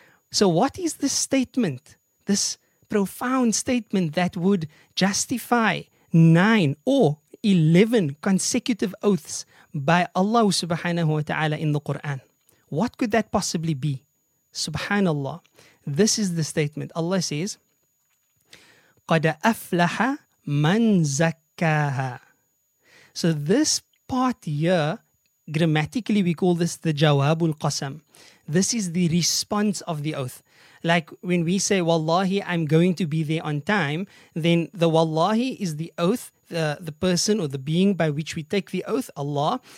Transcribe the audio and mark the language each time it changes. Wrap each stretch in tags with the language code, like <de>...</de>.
<en>So what is this statement, this profound statement that would justify 9 or 11 consecutive oaths by Allah subhanahu wa ta'ala in the Quran? What could that possibly be? Subhanallah. This is the statement. Allah says,</en> <ar>قَدَ أَفْلَحَ مَنْ زَكَّاهَا.</ar> <en>So this part here, grammatically we call this the</en> <ar>جَوَابُ الْقَسَمُ.</ar> <en>This is the response of the oath. Like when we say, Wallahi, I'm going to be there on time, then the Wallahi is the oath, the person or the being by which we take the oath, Allah.</en>